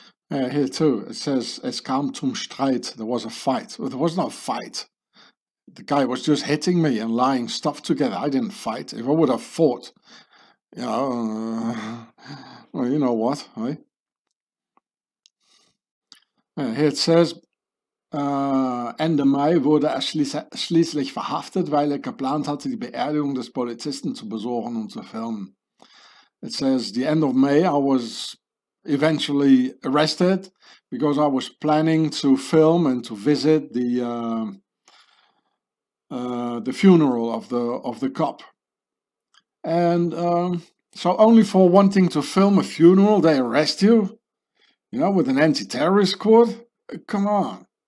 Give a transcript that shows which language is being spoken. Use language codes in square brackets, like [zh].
[en] Here too, it says [de] es kam zum Streit. [en] There was a fight. Well, there was no fight. The guy was just hitting me and lying stuff together. I didn't fight. If I would have fought, you know, well, you know what, right? Here it says, [de] Ende Mai wurde er schließlich verhaftet, weil er geplant hatte, die Beerdigung des Polizisten zu besuchen und zu filmen. [en] It says, the end of May, I was eventually arrested because I was planning to film and to visit the funeral of the cop, and so only for wanting to film a funeral they arrest you, you know, with an anti-terrorist court. Come on.